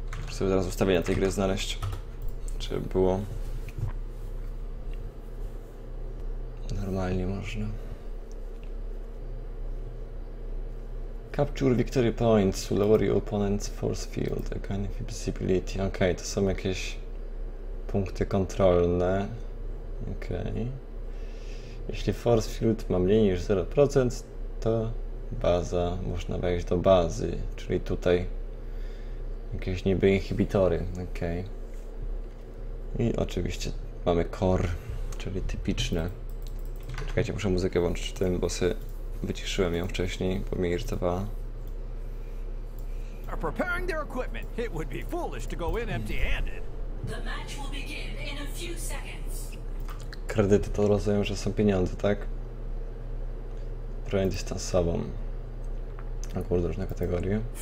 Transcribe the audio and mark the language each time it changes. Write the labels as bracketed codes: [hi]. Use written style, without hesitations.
[pl] Sobie zaraz ustawienia tej gry znaleźć, czy było normalnie można. [en] Capture victory points, lower your opponent's force field, gain invisibility. [pl] Okej, to są jakieś punkty kontrolne. Okej. Jeśli force field ma mniej niż 0%, to baza, można wejść do bazy, czyli tutaj. Jakieś niby inhibitory, okej. Okay. I oczywiście mamy core, czyli typiczne. Czekajcie, muszę muzykę włączyć tym, bo sobie wyciszyłem ją wcześniej, bo mnie irytowała. [en] Are preparing their equipment. It would be foolish to go in empty-handed. The match will begin in a few seconds. [pl] Kredyty to rozumiem, że są pieniądze, tak? Broń dystansową. A kurde, różne kategorie.